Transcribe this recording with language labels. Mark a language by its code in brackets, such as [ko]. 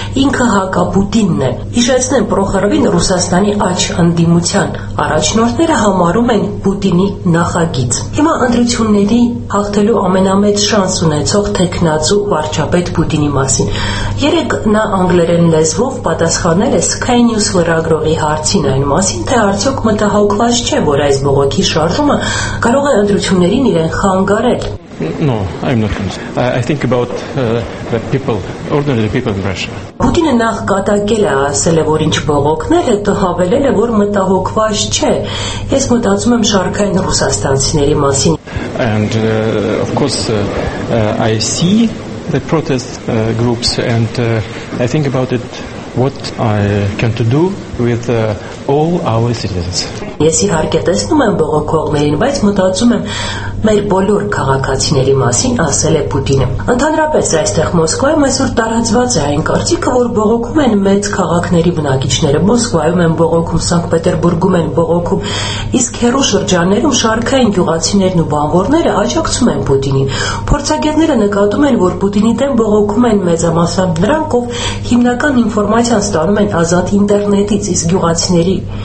[hy] ինքը հակապուտինն է։ Հիշեցնեմ, Պրոխորովին Ռուսաստանի աջ ընդդիմության առաջնորդները համարում են Պուտինի նախագիծ։ Հիմա ընտրությունների հաղթելու ամենամեծ շանս ունեցող թեկնածու վարչապետ Պուտինի մասին։ Երեկ նա անգլերեն լեզվով պատասխանել է Sky News լրագրողի հարցին այն մասին, թե արդյոք մտահոգված չէ, որ այս բողոքի շարժումը կարող է ընտրություններին իրեն խանգարել։ [en] No, I'm not concerned. I think about the people, ordinary people in Russia. [hy] Պուտինը նախ կատակել է, ասել է, որ ինչ բողոքներ, հետո հավելել է, որ մտահոգված չէ։ Ես մտածում եմ շարքային ռուսաստանցիների մասին։ [en] And of course I see the protest groups and I think about it what I can to do with all our citizens. [hy] Ես իհարկե տեսնում եմ բողոքողներին, բայց մտածում եմ մեր բոլոր քաղաքացիների մասին, ասել է Պուտինը։ Ընդհանրապես այստեղ Մոսկվայում այսօր տարածված է այն կարծիքը, որ բողոքում են մեծ քաղաքների բնակիչները, Մոսկվայում են բողոքում, Սանկտպետերբուրգում են բողոքում, իսկ հեռու շրջաններում շարքային գյուղացիներն ու բանվորները աջակցում են Պուտինին։ Փորձագետները նկատում են, որ Պուտինի դեմ բողոքում են մեծամասամբ դրանք, ով հիմնական ինֆորմացիան ստանում են ազատ ինտերնետից, իսկ գյուղացիների